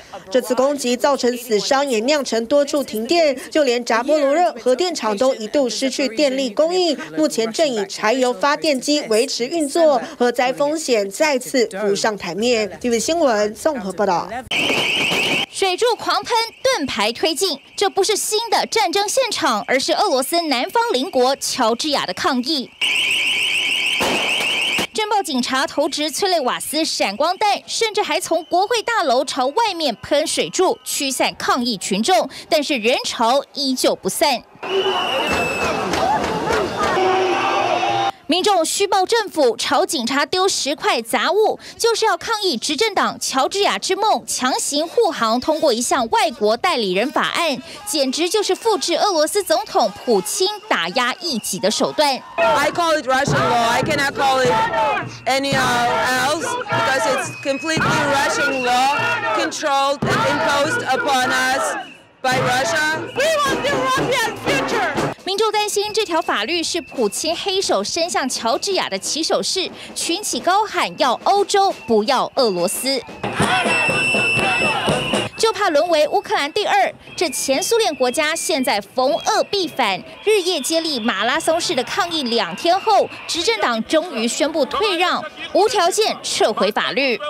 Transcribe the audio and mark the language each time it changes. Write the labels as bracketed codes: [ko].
[zh] 这次攻击造成死伤，也酿成多处停电，就连扎波罗热核电厂都一度失去电力供应，目前正以柴油发电机维持运作，核灾风险再次浮上台面。 TVBS新闻综合报道。水柱狂喷，盾牌推进，这不是新的战争现场，而是俄罗斯南方邻国乔治亚的抗议。侦报警察投掷催泪瓦斯、闪光弹，甚至还从国会大楼朝外面喷水柱，驱散抗议群众。但是人潮依旧不散。民众虚报政府朝警察丢十块杂物，就是要抗议执政党乔治亚之梦强行护航通过一项外国代理人法案，简直就是复制俄罗斯总统普京打压异己的手段。 [en] I call it Russian law. I cannot call it any else because it's completely Russian law controlled and imposed upon us by Russia. We want the European future. [zh] 民众担心这条法律是普京黑手伸向乔治亚的起手式，群起高喊要欧洲不要俄罗斯，就怕沦为乌克兰第二。这前苏联国家现在逢俄必反，日夜接力马拉松式的抗议，两天后执政党终于宣布退让，无条件撤回法律。